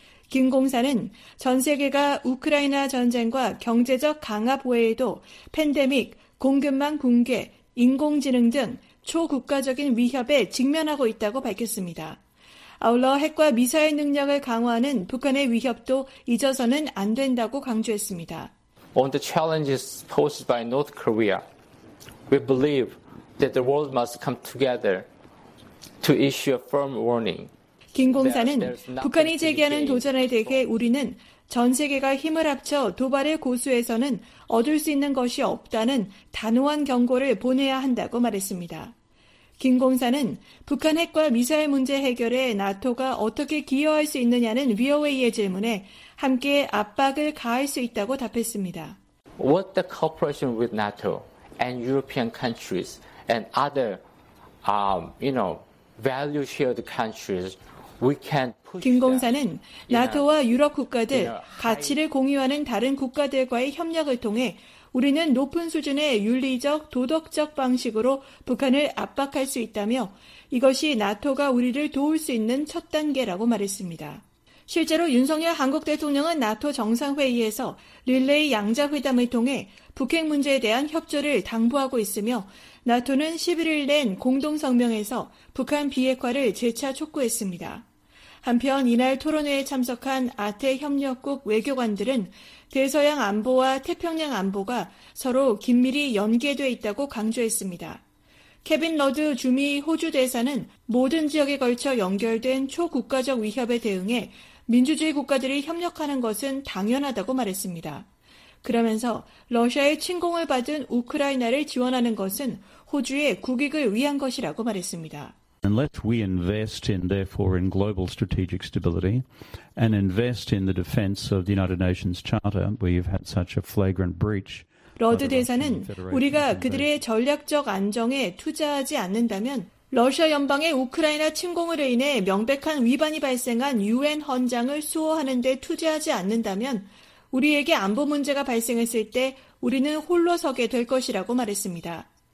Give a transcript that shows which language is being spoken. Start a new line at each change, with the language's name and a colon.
Korean: 김 공사는 전 세계가 우크라이나 전쟁과 경제적 강압 외에도 팬데믹, 공급망 붕괴, 인공지능 등 초국가적인 위협에 직면하고 있다고 밝혔습니다. 아울러 핵과 미사일 능력을 강화하는 북한의 위협도 잊어서는 안 된다고 강조했습니다.
English: On the challenges posed by North Korea, we believe that the world must come together to issue a firm warning.
Korean: 김 공사는 북한이 제기하는 도전에 대해 우리는 전 세계가 힘을 합쳐 도발을 고수해서는 얻을 수 있는 것이 없다는 단호한 경고를 보내야 한다고 말했습니다. 김 공사는 북한 핵과 미사일 문제 해결에 나토가 어떻게 기여할 수 있느냐는 위어웨이의 질문에 함께 압박을 가할 수 있다고 답했습니다.
English: What the cooperation with NATO and European countries and other, you know, value shared countries we can push.
Korean: 김 공사는 나토와 유럽 국가들 가치를 공유하는 다른 국가들과의 협력을 통해 우리는 높은 수준의 윤리적, 도덕적 방식으로 북한을 압박할 수 있다며 이것이 나토가 우리를 도울 수 있는 첫 단계라고 말했습니다. 실제로 윤석열 한국 대통령은 나토 정상회의에서 릴레이 양자회담을 통해 북핵 문제에 대한 협조를 당부하고 있으며 나토는 11일 낸 공동성명에서 북한 비핵화를 재차 촉구했습니다. 한편 이날 토론회에 참석한 아태 협력국 외교관들은 대서양 안보와 태평양 안보가 서로 긴밀히 연계돼 있다고 강조했습니다. 케빈 러드 주미 호주 대사는 모든 지역에 걸쳐 연결된 초국가적 위협에 대응해 민주주의 국가들이 협력하는 것은 당연하다고 말했습니다. 그러면서 러시아의 침공을 받은 우크라이나를 지원하는 것은 호주의 국익을 위한 것이라고 말했습니다.
English: And let we invest in therefore in global strategic stability and invest in the defense of the United Nations Charter where you've had such a flagrant breach.
Korean: 러드 대사는 우리가 그들의 전략적 안정에 투자하지 않는다면 러시아 연방의 우크라이나 침공을 인해 명백한 위반이 발생한 UN 헌장을 수호하는 데 투자하지 않는다면 우리에게 안보 문제가 발생했을 때 우리는 홀로 서게 될 것이라고 말했습니다.